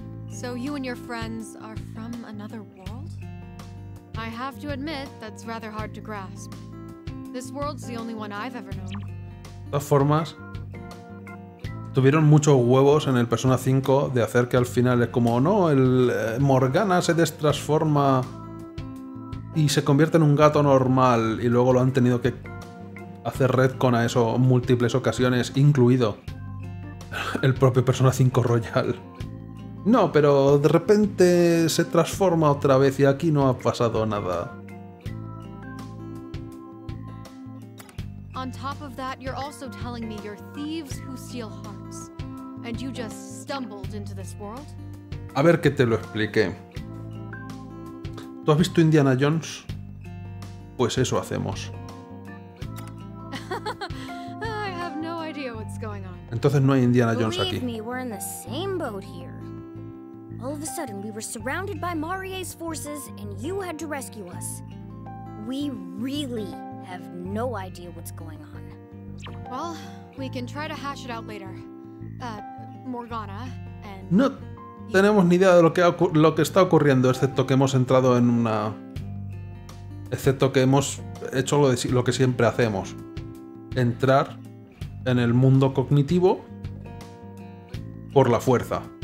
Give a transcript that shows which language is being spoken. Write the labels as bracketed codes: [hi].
[en] So you and your friends are from another world? I have to admit that's rather hard to grasp. This world's the only one I've ever known. [es] De todas formas, tuvieron muchos huevos en el Persona 5 de hacer que al final es como, no, el Morgana se destransforma y se convierte en un gato normal, y luego lo han tenido que hacer retcon a eso múltiples ocasiones, incluido el propio Persona 5 Royal. No, pero de repente se transforma otra vez y aquí no ha pasado nada. [en] On top of that, you're also telling me you're thieves who steal hearts, and you just stumbled into this world? [es] A ver que te lo explique. ¿Tú has visto Indiana Jones? Pues eso hacemos. [en] I have no idea what's going on. [es] Entonces no hay Indiana Jones aquí. [en] Believe me, we're in the same boat here. All of a sudden, we were surrounded by Mario's forces, and you had to rescue us. We really have no idea what's going on. Well, we can try to hash it out later. Morgana and [es] no tenemos ni idea de lo que está ocurriendo, excepto que hemos entrado en una, excepto que hemos hecho lo que siempre hacemos, entrar en el mundo cognitivo por la fuerza.